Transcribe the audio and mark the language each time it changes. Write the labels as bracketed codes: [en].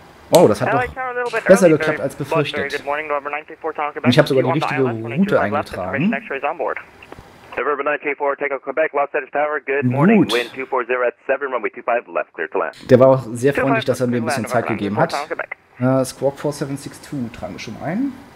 [de] Oh, das hat doch besser geklappt als befürchtet. Und ich habe sogar die richtige Route eingetragen. [en] Suburban 94, take off Quebec, Los Angeles Tower, good morning, [de] gut. [en] Wind 240 at 7, runway 25 left, clear to land. [de] Der war auch sehr freundlich, dass er mir ein bisschen Zeit gegeben hat. Squawk 4762 tragen wir schon ein.